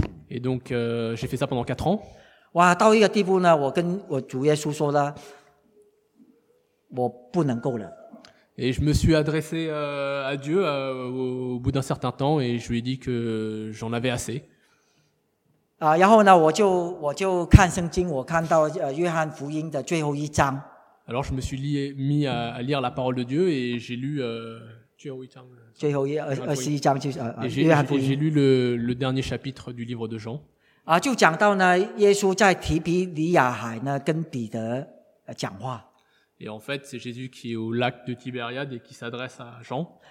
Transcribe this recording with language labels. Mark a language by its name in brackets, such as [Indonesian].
[French] Et donc j'ai fait ça pendant 4 ans. [Chinese] 哇，到一个地步呢，我跟我主耶稣说了。我不能够了。 [French] Et je me suis adressé à Dieu au bout d'un certain temps et je lui ai dit que j'en avais assez. [Chinese] 然后呢我就看圣经，我看到约翰福音的最后一章。 [French] Alors je me suis mis à lire la parole de Dieu et j'ai lu le dernier chapitre du livre de Jean. [Chinese] 就讲到呢耶稣在提比利亚海呢跟彼得讲话。 [French] Et en fait, c'est Jésus qui est au lac de Tibériade et qui s'adresse à Jean.